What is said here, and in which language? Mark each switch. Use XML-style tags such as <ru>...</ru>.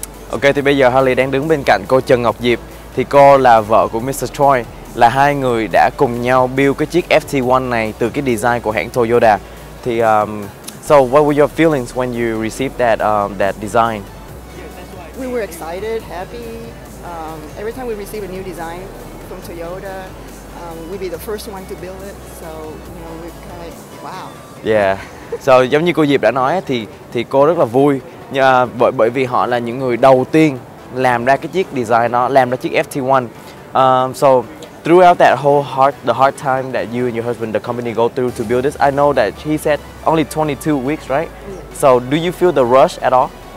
<vi>Ok, thì bây giờ Holly đang đứng bên cạnh cô Trần Ngọc Diệp. Thì cô là vợ của Mr. Choi, là hai người đã cùng nhau build cái chiếc ST1 này từ cái design của hãng Toyota.</vi> <en>Thì so what were your feelings when you received that that design? We were excited, happy. Every time we receive a new design from Toyota, we'd be the first one to build it. So, you know, we're kind of wow. Yeah.</en> <vi>So giống như cô Diệp đã nói thì cô rất là vui. Bởi vì họ là những người đầu tiên làm ra cái chiếc design nó, làm ra chiếc ST1.</vi> <en>So throughout that whole hard time that you and your husband, the company go through to build this, I know that he said only 22 weeks, right? Yeah. So do you feel the rush at all?</en>